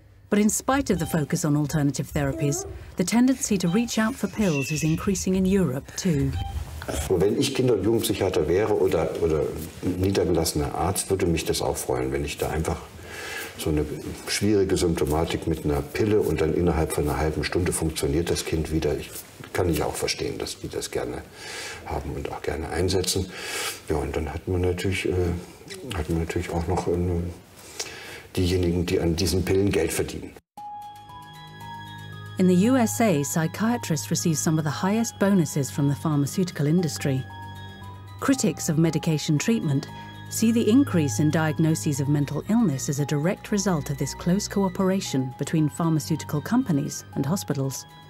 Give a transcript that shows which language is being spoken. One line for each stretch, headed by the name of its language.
English: But in spite of the focus on alternative therapies, the tendency to reach out for pills is increasing in Europe too.
German: Wenn ich Kinder- und Jugendpsychiater wäre oder niedergelassener Arzt, würde mich das auch freuen, wenn ich da einfach so eine schwierige Symptomatik mit einer Pille und dann innerhalb von einer halben Stunde funktioniert das Kind wieder. Kann ich auch verstehen, dass die das gerne haben und auch gerne einsetzen. Ja, und dann hat man natürlich auch noch diejenigen, die an diesen Pillen Geld verdienen.
English: In the USA, psychiatrists receive some of the highest bonuses from the pharmaceutical industry. Critics of medication treatment see the increase in diagnoses of mental illness as a direct result of this close cooperation between pharmaceutical companies and hospitals.